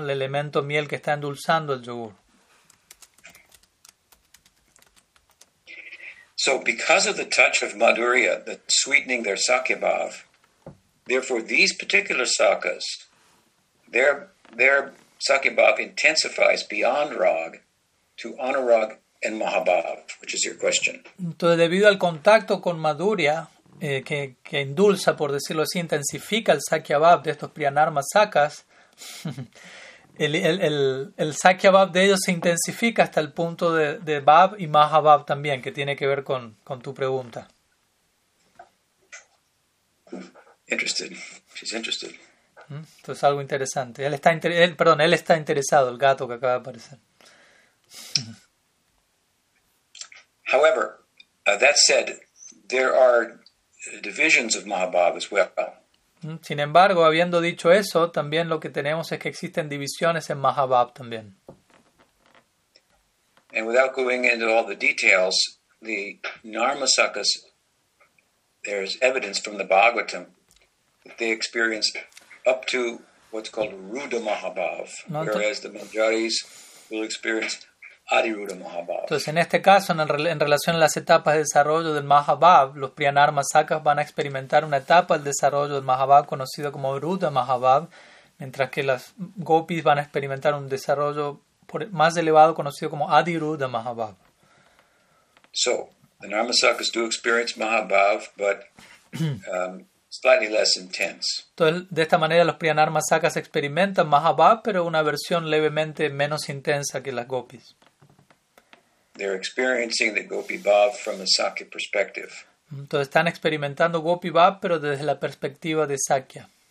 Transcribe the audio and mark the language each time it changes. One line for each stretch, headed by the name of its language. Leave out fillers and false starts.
Spanish: El elemento miel que está endulzando el yogur.
English: So because of the touch of Madhurya that's sweetening their Sakya Bhav, therefore, these particular sakas, their Sakya Bhav intensifies beyond rag to anurag and mahabhav, which is your question.
Spanish: Entonces, debido al contacto con madhurya, que endulza, por decirlo así, intensifica el Sakya Bhav de estos priyanarma sakas, el Sakya Bhav de ellos se intensifica hasta el punto de bhav y mahabhav también, que tiene que ver con tu pregunta.
English: Interested. She's interested.
Spanish: Entonces, algo interesante. Él está interesado, el gato que acaba de aparecer.
English: However, that said, there are divisions of Mahabharata as well.
Spanish: Sin embargo, habiendo dicho eso, también lo que tenemos es que existen divisiones en Mahabharata también.
English: And without going into all the details, the Narmasakas, there's evidence from the Bhagavatam that they experience up to what's called Ruda Mahabhav, whereas the Manjaris will experience Adi Ruda Mahabhav.
Spanish: Entonces, en este caso, en relación a las etapas de desarrollo del Mahabhav, los Priyanarmasakas van a experimentar una etapa del desarrollo del Mahabhav conocido como Ruda Mahabhav, mientras que las Gopis van a experimentar un desarrollo más elevado conocido como Adi Ruda Mahabhav.
English: So, the Narmasakas do experience Mahabhav, but slightly less intense.
Spanish: Entonces, de esta manera, los Priyanarmasakas experimentan Mahabhav, pero una versión levemente menos intensa que las Gopis.
English: They're experiencing the Gopi Bhav from a Sakya perspective.
Spanish: Entonces, están experimentando Gopi Bhav, pero desde la perspectiva de Sakya.